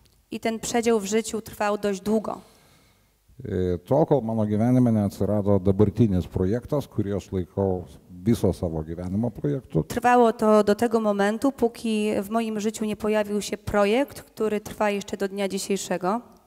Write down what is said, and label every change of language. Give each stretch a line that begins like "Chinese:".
Polish: I ten przedział w życiu trwał dość długo.
Lithuanian: Tol, kol mano gyvenime neatsirado dabartinis projektas, kurį aš laikau viso savo gyvenimo projektu.
Polish: Trvalo to do tego momentu, póki w moim życiu nie pojawił się projekt, który trwa jeszcze do dnia dzisiejszego.